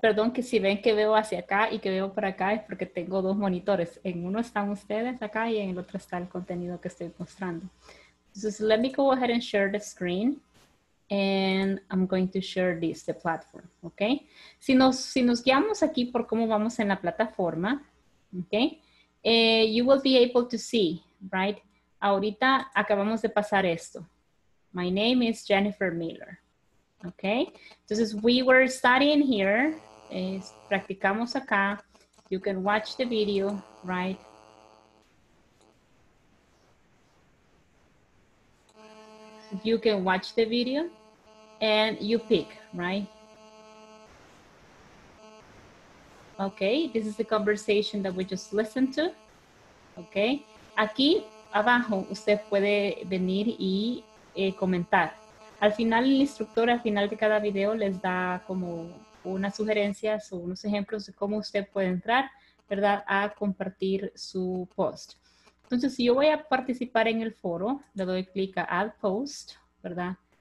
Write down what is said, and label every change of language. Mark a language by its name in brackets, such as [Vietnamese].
[Spanish] Perdón que si ven que veo hacia acá y que veo para acá es porque tengo dos monitores. En uno están ustedes acá y en el otro está el contenido que estoy mostrando. [English] So let me go ahead and share the screen. And I'm going to share this, the platform, okay? [Spanish] Si nos guiamos aquí por cómo vamos en la plataforma, okay? [English] You will be able to see, right? [Spanish] Ahorita acabamos de pasar esto. [English] My name is Jennifer Miller, okay? [Spanish] Entonces, [English] we were studying here. [Spanish] Practicamos acá. [English] You can watch the video, right? You can watch the video. And you pick, right? Okay, this is the conversation that we just listened to. [Spanish] Okay, aquí abajo usted puede venir y comentar. Al final el instructor, al final de cada video, les da como unas sugerencias o unos ejemplos de cómo usted puede entrar, ¿verdad? A compartir su post. Entonces, si yo voy a participar en el foro, le doy clic a Add Post, ¿verdad?